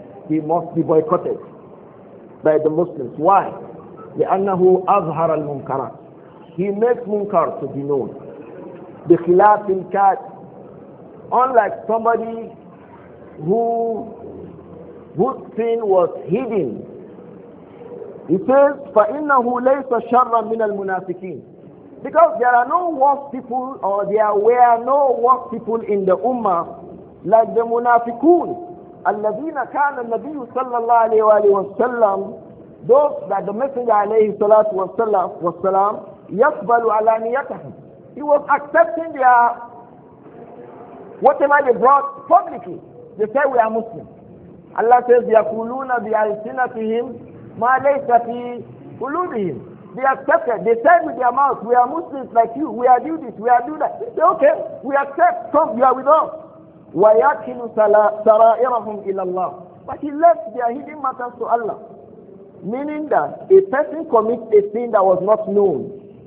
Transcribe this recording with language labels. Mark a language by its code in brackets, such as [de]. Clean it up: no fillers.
[en] He must be boycotted by the Muslims. Why? [ar] لِأَنَّهُ أَظْهَرَ الْمُنْكَرَ. [en] He makes munkar to be known. [ar] بِخِلَافِ الْكَاتِ. [en] Unlike somebody whose sin was hidden. He says, [ar] فَإِنَّهُ لَيْسَ شَرًّا مِنَ الْمُنَافِقِينَ. [en] Because there are no worse people, or there were no worse people in the ummah like the munafiqun. [ar] الذين كان النبي صلى الله عليه وآله وسلم, [en] those that the Messenger [ar] عليه الصلاة والسلام يقبل على نيتهم. [en] He was accepting their whatever they brought publicly. They say we are Muslim. Allah says [ar] يقولون بألسنتهم ما ليس في قلوبهم. [en] They accepted. They said with their mouth, we are Muslims like you. We are do this. We are do that. They say, okay, we accept. Come, you are with us. [ar] وَيَكِلُ سَرَائِرَهُمْ إِلَى اللَّهِ. [en] But he left their hidden matters to Allah. Meaning that a person commits a sin that was not known.